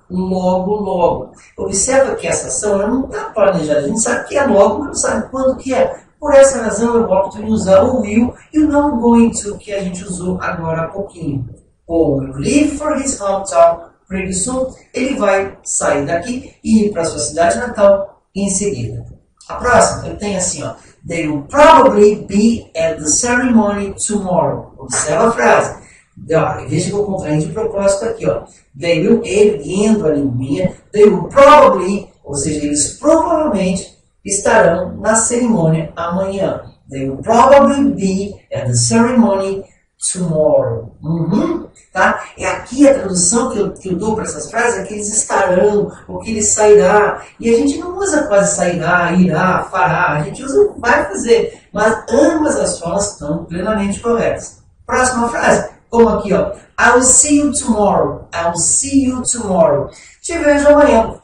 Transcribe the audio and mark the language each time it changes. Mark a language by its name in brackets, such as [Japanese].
[Portuguese] Logo, logo. Observa que essa ação ela não está planejada. A gente sabe que é logo, mas não sabe quando que é. Por essa razão, eu opto em usar o will e o não going to que a gente usou agora há pouquinho. [English] Ou will leave for his hometown pretty soon. [Portuguese] Ele vai sair daqui e ir para sua cidade natal em seguida. A próxima, eu tenho assim, ó. [English] They will probably be at the ceremony tomorrow. [Portuguese] Observa a frase. Veja que eu contraí de propósito aqui, ó. [English] They will, [Portuguese] erguendo a linguinha, [English] they will probably, [Portuguese] ou seja, eles provavelmente estarão na cerimônia amanhã. [English] They will probably be at the ceremony tomorrow. [Portuguese] Tá? É aqui a tradução que eu dou para essas frases, é que eles estarão, ou que eles sairá. E a gente não usa quase sairá, irá, fará. A gente usa vai fazer. Mas ambas as formas estão plenamente corretas. Próxima frase. Como aqui, ó. [English] I'll see you tomorrow. I'll see you tomorrow. [Portuguese] Te vejo amanhã.